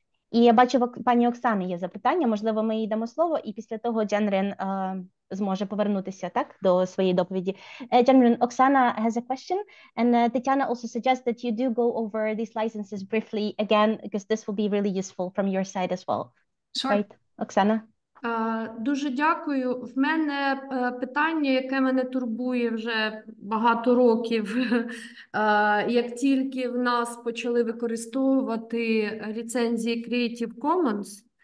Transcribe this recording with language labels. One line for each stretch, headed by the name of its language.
Ukrainian: І я бачу, пані Оксани є запитання, можливо, ми їй дамо слово, і після того Джейнрін зможе повернутися, так, до своєї доповіді.
English: Джейнрін, Оксана has a question, and Тетяна also suggests that you do go over these licenses briefly again, because this will be really useful from your side as well. Sure. Right, Оксана?
Ukrainian: Дуже дякую. В мене питання, яке мене турбує вже багато років, як тільки в нас почали використовувати ліцензії Creative Commons,